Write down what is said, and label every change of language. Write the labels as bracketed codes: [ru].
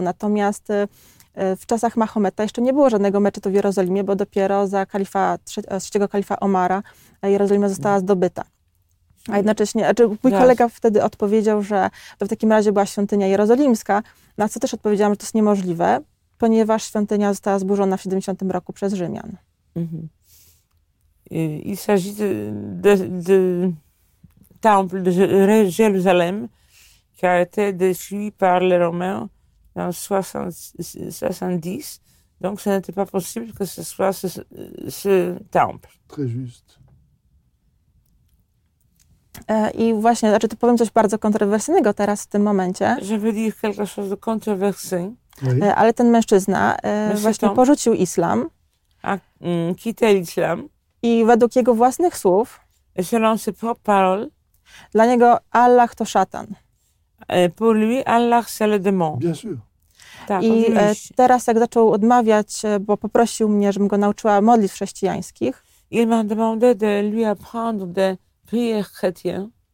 [pl] Natomiast w czasach Mahometa jeszcze nie było żadnego meczetu w Jerozolimie, bo dopiero za kalifa trzeciego kalifa Omara Jerozolima została zdobyta. A jednocześnie, mój kolega wtedy odpowiedział, że to w takim razie była świątynia jerozolimska, na co też odpowiedziałam, że to jest niemożliwe, ponieważ świątynia została zburzona w 70 roku przez Rzymian. [fr] I s'agit de temple de Jérusalem qui a été détruit par les Romains en 70, donc ce n'était pas possible que ce soit ce temple. Très juste. [pl] I właśnie, to powiem coś bardzo kontrowersyjnego teraz w tym momencie. [fr] Je veux dire quelque chose de controversé. [pl] Ale ten mężczyzna właśnie porzucił islam. [fr] A quitté l'islam. [pl] I według jego własnych słów. [fr] Selon ses propres paroles. [pl] Dla niego Allah to szatan. [fr] Pour lui, Allah, c'est le démon. Bien sûr. [pl] Tak, i teraz jak zaczął odmawiać, bo poprosił mnie, żebym go nauczyła modlitw chrześcijańskich. [fr] Il m'a demandé de lui apprendre de prier chrétien.